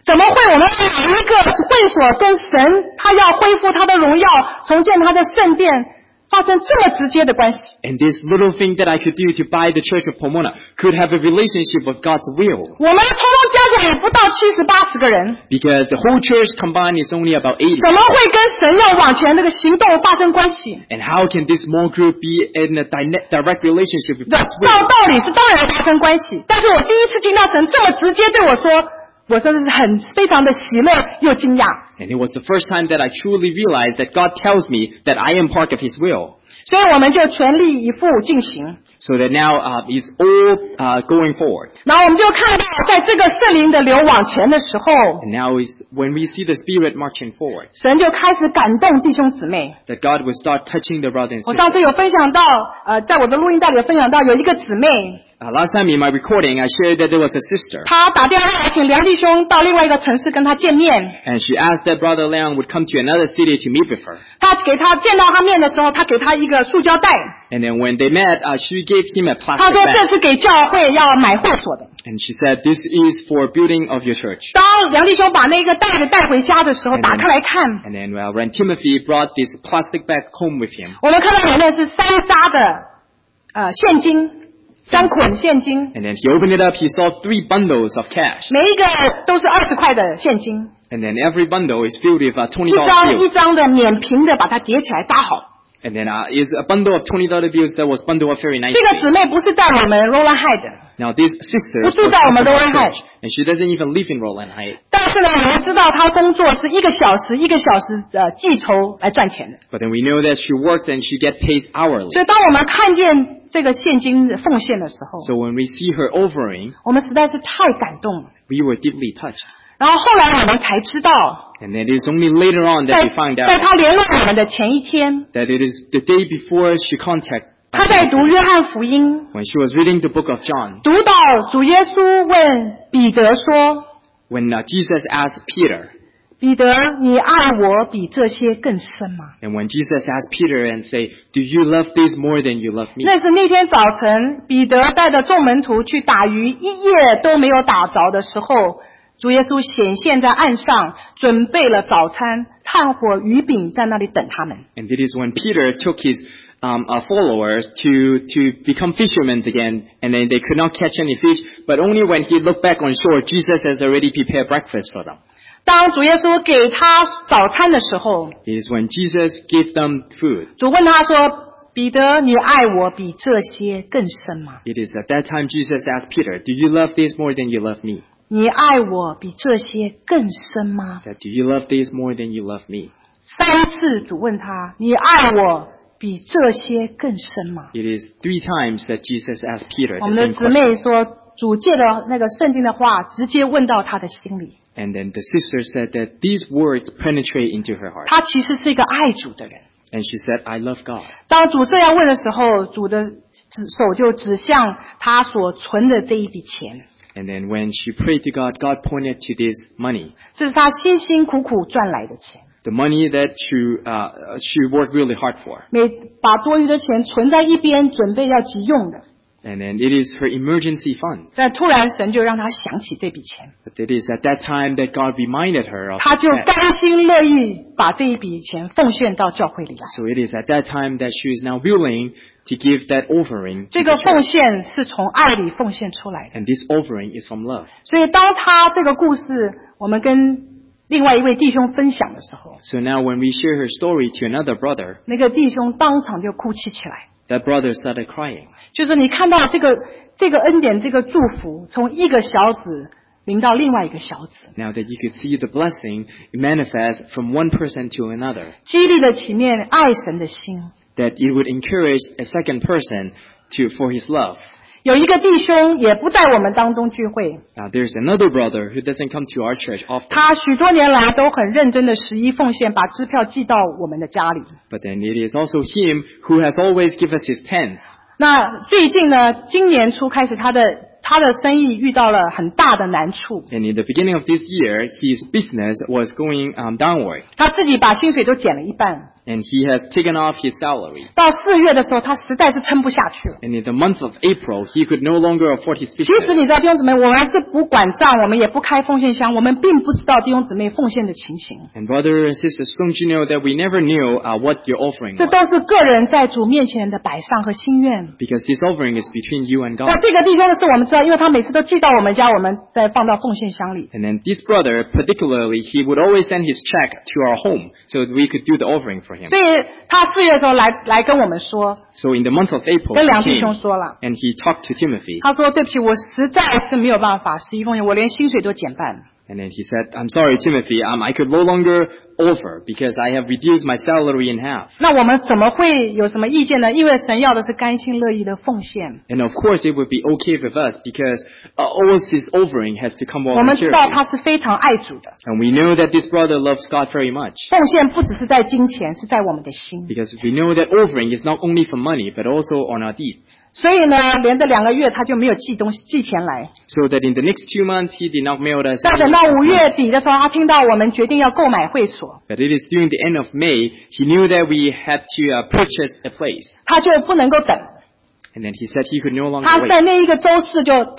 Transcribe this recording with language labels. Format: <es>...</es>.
<zh>怎么会我们买一个会所跟神，他要恢复他的荣耀，重建他的圣殿？发生这么直接的关系。</zh> <en>And this little thing that I could do to buy the church of Pomona could have a relationship with God's will.</en> <zh>我们通通加起来不到七十八十个人。</zh> <en>Because the whole church combined is only about 80.</en> <zh>怎么会跟神要往前那个行动发生关系？</zh> <en>And how can this small group be in a direct relationship with God's will?</en> <zh>道理是当然发生关系，但是我第一次听到神这么直接对我说。我真的是很非常的喜乐又惊讶。</zh> <en>And it was the first time that I truly realized that God tells me that I am part of His will.</en> <zh>所以我们就全力以赴进行。</zh> <en>So that now is all going forward.</en> <zh>然后我们就看到，在这个圣灵的流往前的时候</zh> <en>，And now is when we see the Spirit marching forward.</en> <zh>神就开始感动弟兄姊妹。</zh> <en>That God will start touching the brothers and sisters.</en> <zh>我上次有分享到，在我的录音带里有分享到，有一个姊妹。</zh> <en>Last time in my recording, I shared that there was a sister.</en> <zh>她打电话请梁弟兄到另外一个城市跟她见面。</zh> <en>And she asked that Brother Liang would come to another city to meet with her.</en> <zh>她给她见到她面的时候，她给她一个塑胶袋。</zh> <en>And then when they met, she gave him a plastic bag.</en> <zh>她说这是给教会要买会所的。</zh> <en>And she said this is for building of your church.</en> <zh>当梁弟兄把那个袋子带回家的时候，打开来看。</zh> <en>And then when Timothy brought this plastic bag home with him.</en> <zh>我们看到里面是三扎的，现金。三捆现金。</zh> <en>And then he opened it up, he saw three bundles of cash.</en> <zh>每一个都是二十块的现金。</zh> <en>And then every bundle is filled with $20 bills.</en> <zh>一张一张的免平的把它叠起来搭好。</zh> <en>And then is a bundle of $20 bills that was bundle of very nice.</en> <zh>这个姊妹不是在我们 Roland Heights 的。</zh> <en>Now this sister</en> <zh>不住在我们 Roland</zh> <en>Heights. And she doesn't even live in Roland Heights.</en> <zh>但是呢，我们知道她工作是一个小时一个小时计酬来赚钱的。</zh> <en>But then we know that she works and she gets paid hourly.</en> <zh>所以当我们看见这个现金奉献的时候</zh> <en>，So when we see her offering，</en> <zh>我们实在是太感动了。</zh> <en>We were deeply touched。</en> <zh>然后后来我们才知道</zh> <en>，And it is only later on that we find out，</en> <zh>在她联络我们的前一天</zh> <en>，That it is the day before she contact。</en> <zh>她在读约翰福音</zh> <en>，When she was reading the book of John，</en> <zh>读到主耶稣问彼得说</zh> <en>，When Jesus asked Peter。</en> <zh>彼得，你爱我比这些更深吗？</zh> <en>And when Jesus asked Peter and say, "Do you love this more than you love me?"</en> <zh>那是那天早晨，彼得带着众门徒去打鱼，一夜都没有打着的时候，主耶稣显现在岸上，准备了早餐，炭火、鱼饼在那里等他们。</zh> <en>And it is when Peter took his followers to become fishermen again, and then they could not catch any fish, but only when he looked back on shore, Jesus has already prepared breakfast for them.</en> <zh>当主耶稣给他早餐的时候</zh> <en>，It is when Jesus gave them food.</en> <zh>主问他说：“彼得，你爱我比这些更深吗</zh> <en>？”It is at that time Jesus asked Peter, "Do you love this more than you love me?"</en> <zh>你爱我比这些更深吗</zh> <en>？That do you love this more than you love me?</en> <zh>三次主问他：“你爱我比这些更深吗</zh> <en>？”It is three times that Jesus asked Peter.</en> <zh>我们的姊妹说，主借的那个圣经的话，直接问到他的心里。</zh> <en>And then the sister said that these words penetrate into her heart.</en> <zh>她其实是一个爱主的人。</zh> <en>And she said, "I love God."</en> <zh>当主这样问的时候，主的手就指向她所存的这一笔钱。</zh> <en>And then when she prayed to God, God pointed to this money.</en> <zh>这是她辛辛苦苦赚来的钱。</zh> <en>The money that she worked really hard for.</en> <zh>每把多余的钱存在一边，准备要急用的。</zh> <en>And then it is her emergency fund.</en> <zh>但突然神就让她想起这笔钱。</zh> <en>But it is at that time that God reminded her of.</en> <zh>她就甘心乐意把这一笔钱奉献到教会里来。</zh> <en>So it is at that time that she is now willing to give that offering.</en> <zh>这个奉献是从爱里奉献出来的。</zh> <en>And this offering is from love.</en> <zh>所以当她这个故事，我们跟另外一位弟兄分享的时候</zh> <en>，So now when we share her story to another brother,</en> <zh>那个弟兄当场就哭泣起来。</zh> <en>That brother started crying.</en> <zh>就是你看到这个恩典，这个祝福，从一个小子临到另外一个小子。</zh> <en>Now that you could see the blessing manifest from one person to another.</en> <zh>激励了起面爱神的心。</zh> <en>That it would encourage a second person for his love.</en> <zh>有一个弟兄也不在我们当中聚会。</zh> <en>Now there's another brother who doesn't come to our church often.</en> <zh>他许多年来都很认真的十一奉献，把支票寄到我们的家里。</zh> <en>But then it is also him who has always given us his tenth.</en> <zh>那最近呢，今年初开始他的生意遇到了很大的难处。</zh> <en>And in the beginning of this year, his business was going downward.</en> <zh>他自己把薪水都减了一半。</zh> <en>And he has taken off his salary.</en> <zh>到四月的时候，他实在是撑不下去了。</zh> <en>And in the month of April, he could no longer afford his business.</en> <zh>其实你知道弟兄姊妹，我们是不管账，我们也不开奉献箱，我们并不知道弟兄姊妹奉献的情形。</zh> <en>And brother and sister, don't you know that we never knew what your offering was?</en> <zh>这都是个人在主面前的摆上和心愿。</zh> <en>Because this offering is between you and God.</en> <zh>那这个弟兄的是我们知道，因为他每次都寄到我们家，我们再放到奉献箱里。</zh> <en>And then this brother, particularly, he would always send his check to our home so that we could do the offering for him.</en> <zh>所以他四月的时候来跟我们说</zh> <en>，So in the month of April,</en> <zh>跟梁弟兄说了</zh> <en>，And he talked to Timothy.</en> <zh>他说对不起，我实在是没有办法，十一奉献，我连薪水都减半。</zh> <en>And then he said, I'm sorry, Timothy, I could no longer offer because I have reduced my salary in half.</en> <zh>那我们怎么会有什么意见呢? 因为神要的是甘心乐意的奉献。</zh> <en>And of course it would be okay with us because all his offering has to come voluntarily. And we know that this brother loves God very much.</en> <zh>奉献不只是在金钱，是在我们的心。</zh> <en>Because we know that offering is not only for money, but also on our deeds.</en> <zh>所以呢，连着两个月他就没有寄钱来。</zh> <en>So that in the next 2 months he did not mail us.</en> <zh>但等到五月底的时候，他听到我们决定要购买会所。</zh> <en>But it is during the end of May he knew that we had to purchase a place.</en> <zh>他就不能够等。</zh> <en>And then he said he could no longer wait.</en>